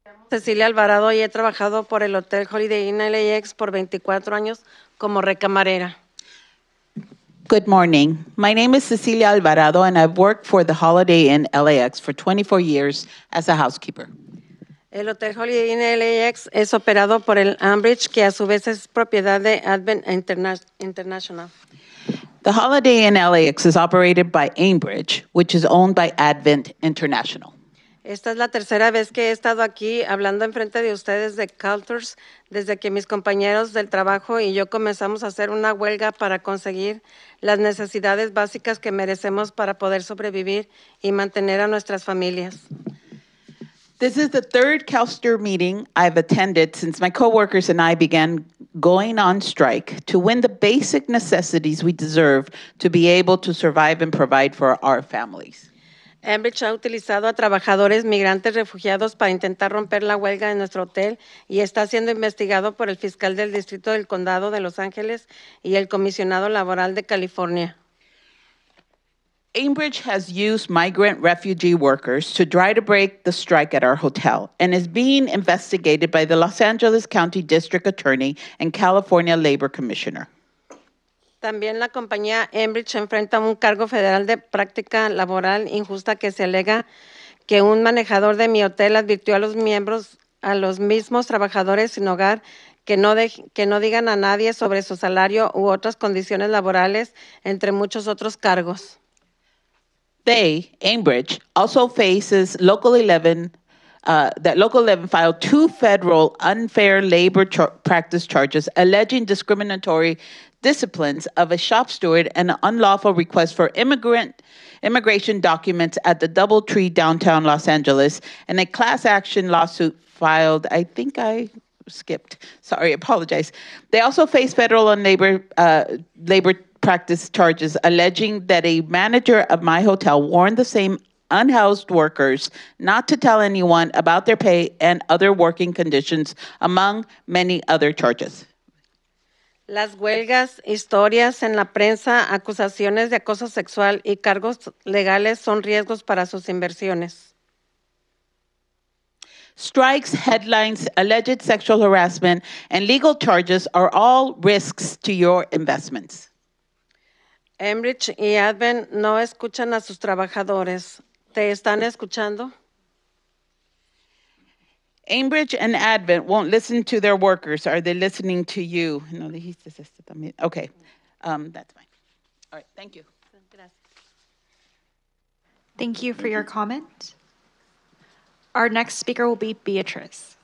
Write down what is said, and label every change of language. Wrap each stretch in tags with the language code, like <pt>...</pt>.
<es>Cecilia Alvarado y he trabajado por el Hotel Holiday Inn LAX por 24 años como recamarera.</es> <en>Good morning. My name is Cecilia Alvarado and I've worked for the Holiday Inn LAX for 24 years as a housekeeper.</en> <es>El Hotel Holiday Inn LAX es operado por el Ambridge, que a su vez es propiedad de Advent International.</es> <en>The Holiday Inn LAX is operated by Ambridge, which is owned by Advent International.</en> <es>Esta es la tercera vez que he estado aquí hablando en frente de ustedes de CalSTRS desde que mis compañeros del trabajo y yo comenzamos a hacer una huelga para conseguir las necesidades básicas que merecemos para poder sobrevivir y mantener a nuestras familias.</es> <en>This is the third CalSTRS meeting I've attended since my coworkers and I began going on strike to win the basic necessities we deserve to be able to survive and provide for our families.</en> <es>Ambridge ha utilizado a trabajadores migrantes refugiados para intentar romper la huelga en nuestro hotel y está siendo investigado por el fiscal del Distrito del Condado de Los Ángeles y el Comisionado Laboral de California.</es> <en>Ambridge has used migrant refugee workers to try to break the strike at our hotel and is being investigated by the Los Angeles County District Attorney and California Labor Commissioner.</en> <es>También la compañía Ambridge enfrenta un cargo federal de práctica laboral injusta que se alega que un manejador de mi hotel advirtió a los miembros, a los mismos trabajadores sin hogar, que no digan a nadie sobre su salario u otras condiciones laborales, entre muchos otros cargos.</es> <en>They, Ambridge, also faces Local 11, that Local 11 filed two federal unfair labor practice charges alleging discriminatory disciplines of a shop steward and an unlawful request for immigration documents at the DoubleTree downtown Los Angeles and a class action lawsuit filed, I think I skipped, sorry, apologize. They also face federal and labor practice charges alleging that a manager of my hotel warned the same unhoused workers not to tell anyone about their pay and other working conditions among many other charges.</en> <es>Las huelgas, historias en la prensa, acusaciones de acoso sexual y cargos legales son riesgos para sus inversiones.</es> <en>Strikes, headlines, alleged sexual harassment, and legal charges are all risks to your investments.</en> <es>Ambridge y Advent no escuchan a sus trabajadores. ¿Te están escuchando?</es> <en>Enbridge and Advent won't listen to their workers. Are they listening to you? No, he's assisted them. Okay, that's fine. All right, thank you. Thank you for your comment. Our next speaker will be Beatrice.</en>